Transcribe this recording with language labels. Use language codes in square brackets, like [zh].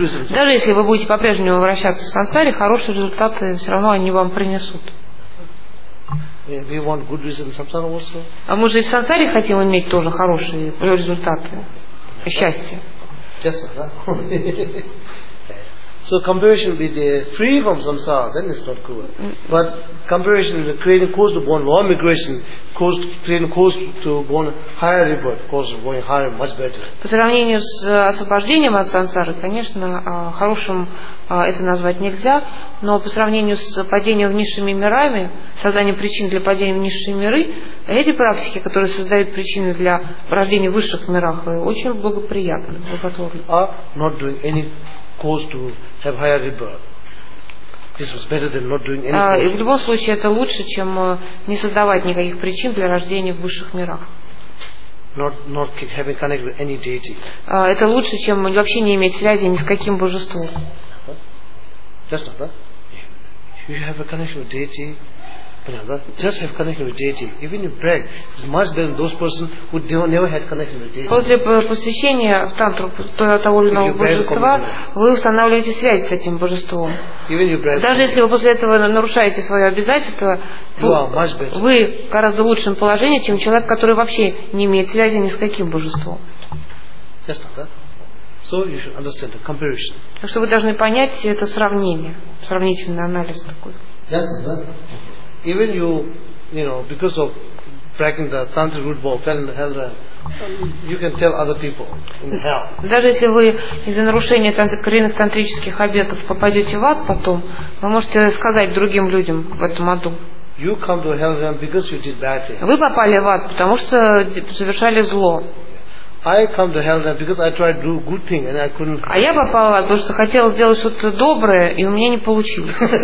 [ru] Даже если вы будете по-прежнему вращаться в сансаре, хорошие результаты все равно они вам принесут. [en] We want good results in samsara also. [ru] А мы же и в сансаре хотим иметь тоже хорошие результаты, счастье. [en] Yes, sir. So comparison with the free from samsara, then it's not good. But comparison with the creating cause to born lower migration, creating cause to born higher rebirth, cause going higher, much better. [ru] По сравнению с освобождением от сансары, конечно, хорошим это назвать нельзя, но по сравнению с падением в низшими мирами, созданием причин для падения в низшие миры, эти практики, которые создают причины для рождения в высших мирах, очень благоприятны, благотворны. [en] Are not doing any cause to have higher rebirth. This was better than not doing anything. [ru] И в любом случае это лучше, чем не создавать никаких причин для рождения в высших мирах. [en] Not having connected with any deity. [ru] Это лучше, чем вообще не иметь связи ни с каким божеством. [en] Just like that. You have a connection with deity. Just have connection with deity. Even you brag, it's much better than those person who never had connection with deity. [ru] После посвящения в тантру того или иного божества, вы устанавливаете связь с этим божеством. [en] Even you brag. [ru] Даже если вы после этого нарушаете свое обязательство, вы в гораздо лучшем положении, чем человек, который вообще не имеет связи ни с каким божеством. [en] Just like that. So you should understand the comparison. [ru] Так что вы должны понять это сравнение, сравнительный анализ такой. [en] Just like that. Even you know, because of breaking the tantric root ball, fell in the hell realm, you can tell other people in hell. [ru] Даже если вы из-за нарушения коренных тантрических обетов попадете в ад потом, вы можете сказать другим людям в этом аду. [en] You come to hell realm because you did bad things. [ru] Вы попали в ад, потому что совершали зло. [en] I come to hell realm because I tried to do good thing and I couldn't. [ru] А я попала в ад, потому что хотела сделать что-то доброе, и у меня не получилось.